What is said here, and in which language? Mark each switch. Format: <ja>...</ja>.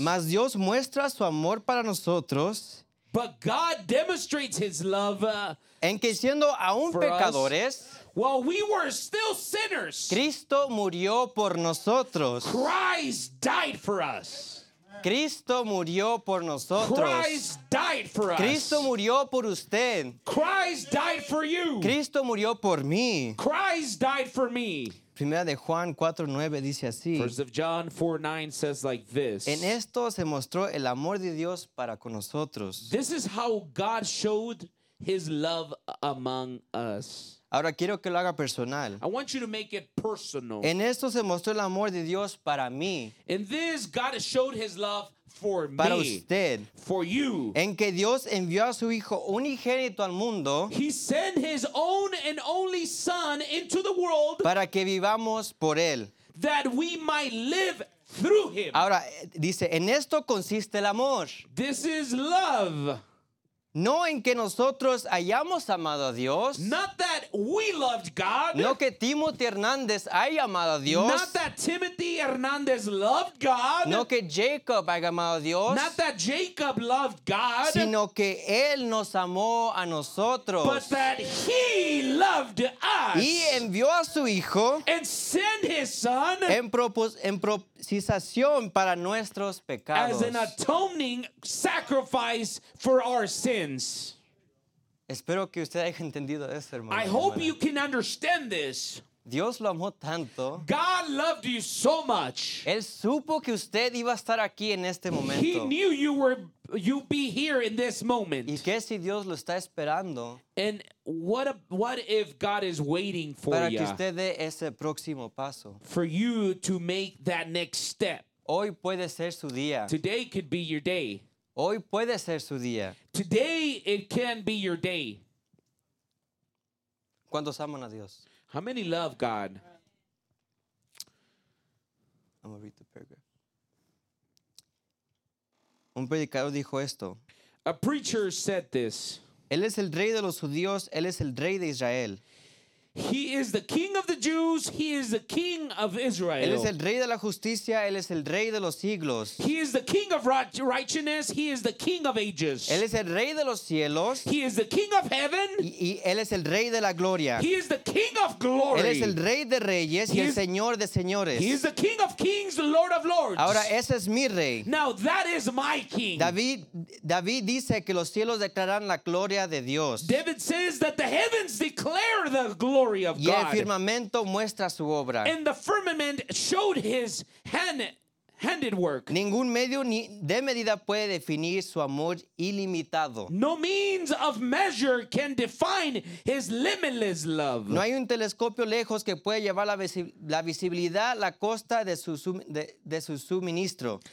<es>Mas Dios muestra su amor para nosotros.</es> <en>But God demonstrates his love</en> <es>en que siendo aún pecadores,</es> <en>while we were still sinners,</en> <es>Cristo murió por nosotros.</es> <en>Christ died for us.</en> <es>Cristo murió por nosotros.</es> <en>Christ died for us.</en> <es>Cristo murió por usted.</es> <en>Christ died for you.</en> <es>Cristo murió por mí.</es> <en>Christ died for me.</en> <es>Primera de Juan 4:9 dice así.</es> <en>First of John 4:9 says like this.</en> <es>En esto se mostró el amor de Dios para con nosotros.</es> <en>This is how God showed his love among us.</en> <es>Ahora quiero que lo haga personal.</es> <en>I want you to make it personal.</en> <es>En esto se mostró el amor de Dios para mí.</es> <en>In this, God showed his love for me.</en> <es>Para usted.</es> <en>For you.</en> <es>En que Dios envió a su hijo unigénito al mundo.</es> <en>He sent his own and only son into the world.</en> <es>Para que vivamos por él.</es> <en>That we might live through him.</en> <es>Ahora dice, en esto consiste el amor.</es> <en>This is love.</en> <es>No en que nosotros hayamos amado a Dios.</es> <en>Not that we loved God.</en> <es>No que Timothy Hernandez haya amado a Dios.</es> <en>Not that Timothy Hernandez loved God.</en> <es>No que Jacob haya amado a Dios.</es> <en>Not that Jacob loved God.</en> <es>Sino que él nos amó a nosotros.</es> <en>But that he loved us.</en> <es>Y envió a su hijo.</es> <en>And sent his son.</en> <es>En propiciación para nuestros pecados.</es> <en>As an atoning sacrifice for our sins.</en> <es>Espero que usted haya entendido eso, hermano.</es> <en>I hope you can understand this.</en> <es>Dios lo amó tanto.</es> <en>God loved you so much.</en> <es>Él supo que usted iba a estar aquí en este momento.</es> <en>He knew you'd be here in this moment.</en> <es>¿Y qué si Dios lo está esperando?</es> <en>And what if God is waiting for you?</en> <es>Para que usted dé ese próximo paso.</es> <en>For you to make that next step.</en> <es>Hoy puede ser su día.</es> <en>Today could be your day.</en> <es>Hoy puede ser su día.</es> <en>Today it can be your day.</en> <es>¿Cuántos aman a Dios?</es> <en>How many love God? I'm going to read the paragraph.</en> <es>Un predicador dijo esto.</es> <en>A preacher said this.</en> <es>Él es el rey de los judíos. Él es el rey de Israel.</es> <en>He is the king of the Jews. He is the king of Israel.</en> <es>Él es el rey de la justicia. Él es el rey de los siglos.</es> <en>He is the king of righteousness. He is the king of ages.</en> <es>Él es el rey de los cielos.</es> <en>He is the king of heaven.</en> <es>Y él es el rey de la gloria.</es> <en>He is the king of glory.</en> <es>Él es el rey de reyes y el señor de señores.</es> <en>He is the king of kings, the lord of lords.</en> <es>Ahora ese es mi rey.</es> <en>Now that is my king.</en> <es>David dice que los cielos declaran la gloria de Dios.</es> <en>David says that the heavens declare the glory.</en> <es>Y el firmamento muestra su obra.</es> <en>And the firmament showed his handed work.</en> <es>Ningún medio ni de medida puede definir su amor ilimitado.</es> <en>No means of measure can define his limitless love.</en> <es>No hay un telescopio lejos que pueda llevar la visibilidad a la costa de su suministro.</es>